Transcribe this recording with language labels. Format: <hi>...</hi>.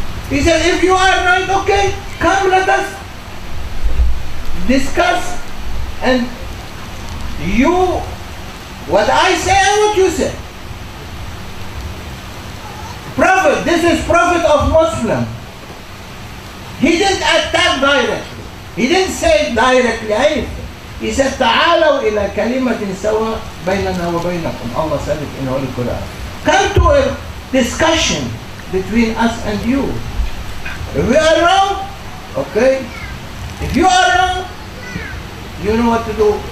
<en>He said, if you are right, okay, come let us discuss and you, what I say and what you say. Prophet, this is Prophet of Muslim. He didn't attack directly. He didn't say it directly either. He said,</en> <ar>تعالوا إلى كلمة سوى بيننا وبينكم.</ar> <en>Allah said it in Holy Quran. Come to a discussion between us and you. If we are wrong, okay. If you are wrong, you know what to do.</en>